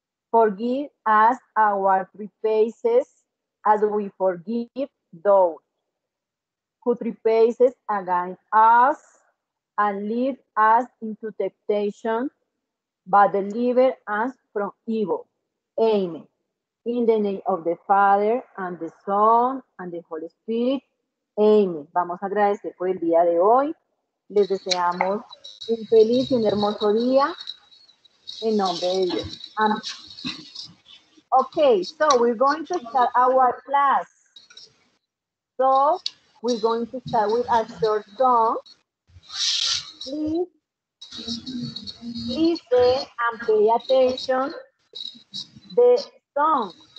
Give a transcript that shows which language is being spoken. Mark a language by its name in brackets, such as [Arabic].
[English] Forgive us our trespasses as we forgive those who trespass against us. And lead us into temptation, but deliver us from evil. Amen. In the name of the Father, and the Son, and the Holy Spirit. Amen. [Spanish] Vamos a agradecer por el día de hoy. Les deseamos un feliz y un hermoso día. En nombre de Dios. Amén. [English] Okay, so we're going to start our class. So we're going to start with a short song. Please listen and pay attention to the song.